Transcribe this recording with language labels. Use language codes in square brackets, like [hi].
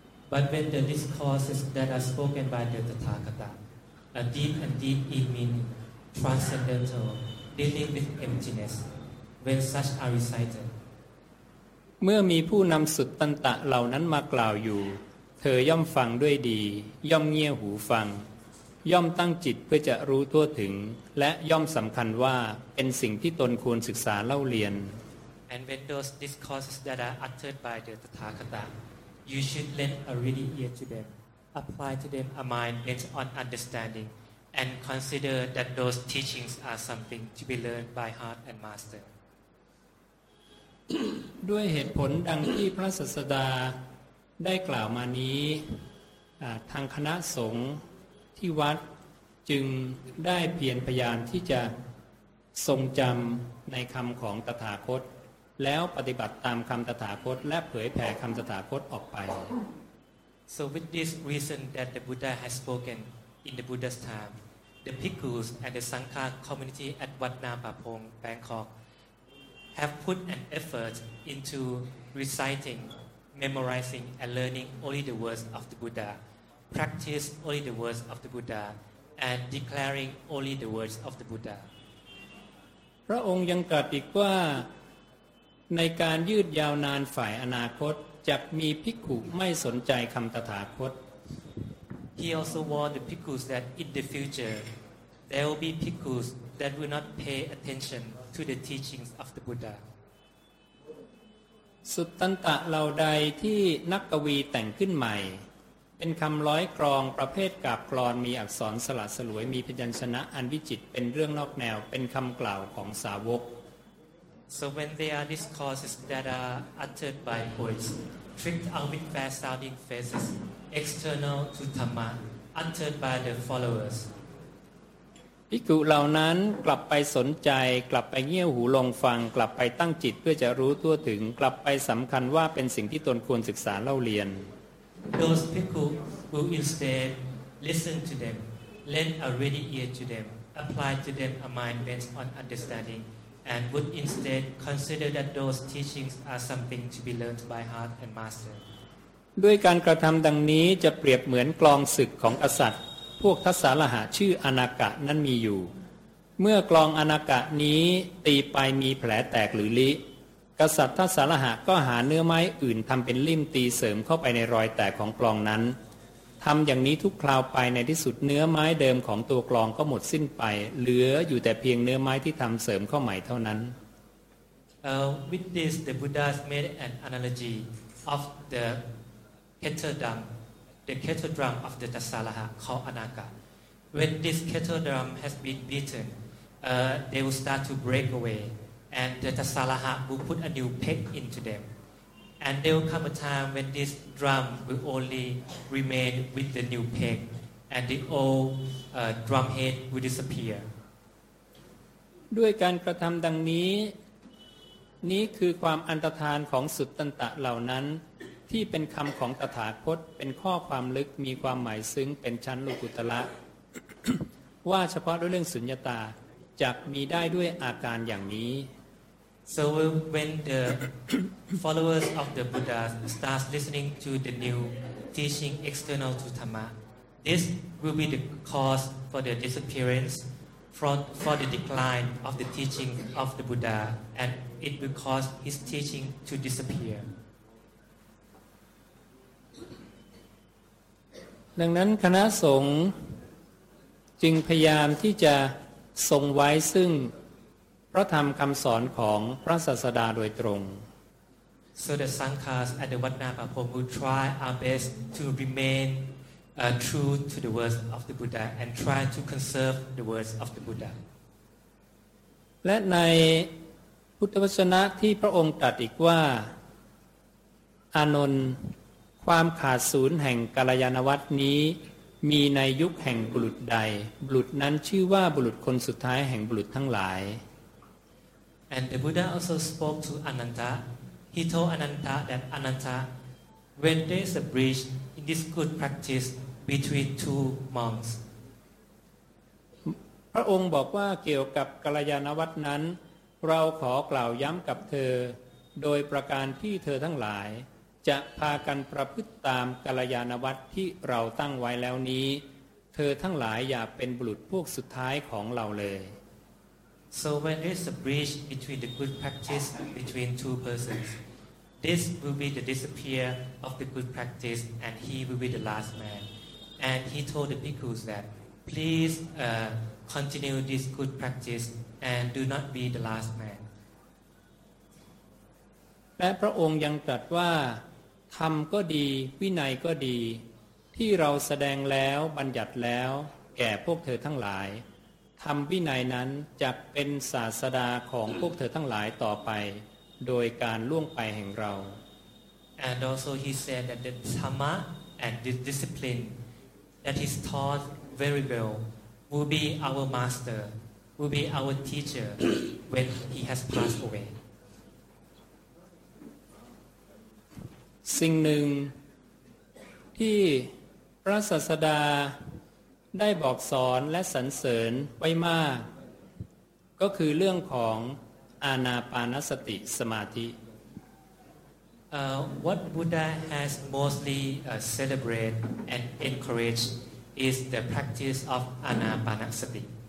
[en] But when the discourses that are spoken by the Tathagataa deep and deep in meaning, transcendental, dealing with emptiness, when such are recited. [th] เมื่อมีผู้นำสุตตันตะเหล่านั้นมากล่าวอยู่เธอย่อมฟังด้วยดีย่อมเงี่ยหูฟังย่อมตั้งจิตเพื่อจะรู้ทั่วถึงและย่อมสำคัญว่าเป็นสิ่งที่ตนควรศึกษาเล่าเรียน [en] And when those discourses that are uttered by the Tathagata, you should lend a ready ear to them. Apply to them a mind bent on understanding, and consider that those teachings are something to be learned by heart and master. [th] ด้วยเหตุผลดังที่พระศาสดาได้กล่าวมานี้ทางคณะสงฆ์ที่วัดจึงได้เพียรพยายามที่จะทรงจำในคำของตถาคตแล้วปฏิบัติตามคำตถาคตและเผยแผ่คำตถาคตออกไป [en] So with this reason that the Buddha has spoken in the Buddha's time, the bhikkhus and the Sangha community at Wat Nam Phapong, Bangkok, have put an effort into reciting, memorizing, and learning only the words of the Buddha, practice only the words of the Buddha, and declaring only the words of the Buddha. [th] พระองค์ยังตรัสอีกว่าในการยืดยาวนานฝ่ายอนาคตจักมีภิกขุไม่สนใจคำตถาคต [en] He also warned the bhikkhus that in the future there will be bhikkhus that will not pay attention to the teachings of the Buddha [th] สุตตันตะเหล่าใดที่นักกวีแต่งขึ้นใหม่เป็นคำร้อยกรองประเภทกาบกลอนมีอักษรสละสลวยมีพยัญชนะอันวิจิตรเป็นเรื่องนอกแนวเป็นคำกล่าวของสาวก [en] So when there are discourses that are uttered by poets, tricked out with fair-sounding phrases, external to Dhamma, uttered by the followers. [th] ภิกขุเหล่านั้นกลับไปสนใจกลับไปเงี่ยวหูลงฟังกลับไปตั้งจิตเพื่อจะรู้ทั่วถึงกลับไปสำคัญว่าเป็นสิ่งที่ตนควรศึกษาเล่าเรียน [en] Those bhikkhu will instead listen to them, lend a ready ear to them, apply to them a mind bent on understanding, and would instead consider that those teachings are something to be learned by heart and master. [th] ด้วยการกระทำดังนี้จะเปรียบเหมือนกลองศึกของกษัตริย์พวกทัศสารหะชื่ออนากะนั้นมีอยู่เมื่อกลองอนากะนี้ตีไปมีแผลแตกหรือลิกษัตริย์ทัศสารหะก็หาเนื้อไม้อื่นทำเป็นลิ่มตีเสริมเข้าไปในรอยแตกของกลองนั้นทำอย่างนี้ทุกคราวไปในที่สุดเนื้อไม้เดิมของตัวกลองก็หมดสิ้นไปเหลืออยู่แต่เพียงเนื้อไม้ที่ทำเสริมเข้าใหม่เท่านั้น [en] With this the Buddha made an analogy of the kettle drum, the kettle drum of the Tathagata called Anaka. When this kettle drum has been beaten, they will start to break away, and the Tathagata will put a new peg into them. And there will come a time when this drum will only remain with the new peg, and the old drum head will disappear. [th] ด้วยการกระทำดังนี้นี้คือความอันตรธานของสุตตันตะเหล่านั้นที่เป็นคำของตถาคตเป็นข้อความลึกมีความหมายซึ้งเป็นชั้นลูกุตระ ว่าเฉพาะด้วยเรื่องสุญญตาจักมีได้ด้วยอาการอย่างนี้ [en] So when the followers of the Buddha starts listening to the new teaching external to Dhamma, this will be the cause for the disappearance for the decline of the teaching of the Buddha, and it will cause his teaching to disappear [th] ดังนั้นคณะสงฆ์จึงพยายามที่จะทรงไว้ซึ่งพระธรรมคำสอนของพระศาสดาโดยตรง [en] So the Sanghas and the Vatnapapomu try our best to remain true to the words of the Buddha and try to conserve the words of the Buddha [th] และในพุทธวจนะที่พระองค์ตรัสอีกว่าอานนท์ความขาดศูนย์แห่งกัลยาณวัตรนี้มีในยุคแห่งบุรุษใดบุรุษนั้นชื่อว่าบุรุษคนสุดท้ายแห่งบุรุษทั้งหลาย [en] And the Buddha also spoke to Ananta. He told Ananta that Ananta, when there is a breach in this good practice between two monks, [th] พระองค์บอกว่าเกี่ยวกับกัลยาณวัตรนั้นเราขอกล่าวย้ำกับเธอโดยประการที่เธอทั้งหลายจะพากันประพฤติตามกัลยาณวัตรที่เราตั้งไว้แล้วนี้เธอทั้งหลายอย่าเป็นบุรุษพวกสุดท้ายของเราเลย [en] So when there is a breach between the good practice between two persons, this will be the disappear of the good practice, and he will be the last man. And he told the bhikkhus that, please continue this good practice and do not be the last man. [th] และพระองค์ยังตรัสว่าธรรมก็ดีวินัยก็ดีที่เราแสดงแล้วบัญญัติแล้วแก่พวกเธอทั้งหลายธรรมวินัยนั้นจะเป็นศาสดาของพวกเธอทั้งหลายต่อไปโดยการล่วงไปแห่งเรา [en] And also he said that the dhamma and the discipline that is taught very well will be our master, will be our teacher when he has passed away. [th] สิ่งหนึ่งที่พระศาสดาได้บอกสอนและสรรเสริญไว้มากก็คือเรื่องของอานาปานสติสมาธิ [en] What Buddha has mostly celebrated and encouraged is the practice of Anapanasati.